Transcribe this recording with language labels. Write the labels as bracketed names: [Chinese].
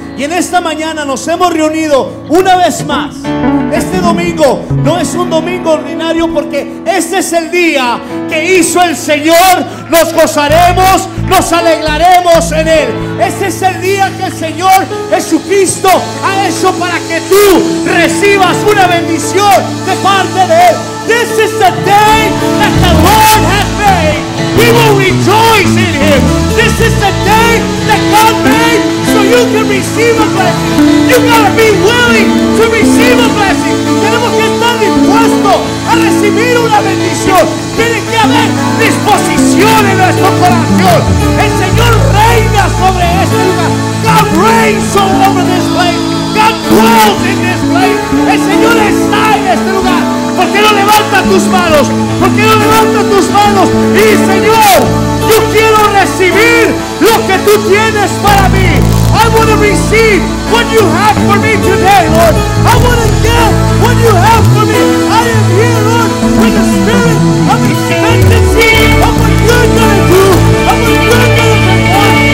[Spanish] Y en esta mañana nos hemos reunido una vez más. Este domingo no es un domingo ordinario, porque este es el día que hizo el Señor. Nos gozaremos, nos alegraremos en Él. Este es el día que el Señor Jesucristo ha hecho para que tú recibas una bendición de parte de Él. [English] This is the day that the Lord has made. We will rejoice in Him. This is the day that God made. You can receive a blessing. You gotta be willing to receive a blessing. [Spanish] Tenemos que estar dispuestos a recibir una bendición. Tiene que haber disposición en nuestro corazón. El Señor reina sobre este lugar. [English] God reigns all over this place. God dwells in this place. [Spanish] El Señor está en este lugar. ¿Por qué no levanta tus manos? ¿Por qué no levanta tus manos? Y Señor, yo quiero recibir lo que tú tienes para mí. [English] I want to receive what you have for me today, Lord. I want to get what you have for me. I am here, Lord, with the spirit of expectancy of what you're going to do, of what you're going to perform.